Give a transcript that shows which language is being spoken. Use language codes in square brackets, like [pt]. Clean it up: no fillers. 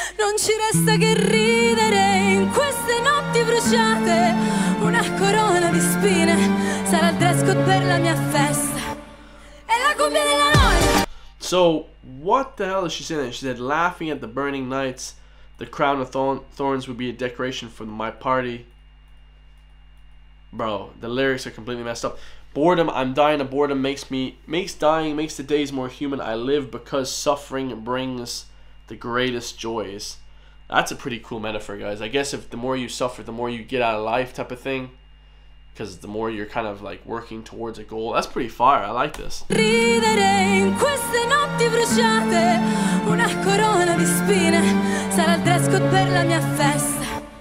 [it] Non ci resta che ridere in queste notti bruciate. Una corona di spine sarà il dress code per la mia festa. E la cumbia della noia. [en] So what the hell is she saying? She said laughing at the burning nights, the crown of thorns would be a decoration for my party. Bro, the lyrics are completely messed up. Boredom, I'm dying of boredom, makes the days more human. I live because suffering brings the greatest joys. That's a pretty cool metaphor, guys. I guess if the more you suffer, the more you get out of life type of thing. Because the more you're kind of like working towards a goal. That's pretty fire. I like this. [it] Ridere in queste notti bruciate. Una corona di spine sarà il dress code per la mia festa.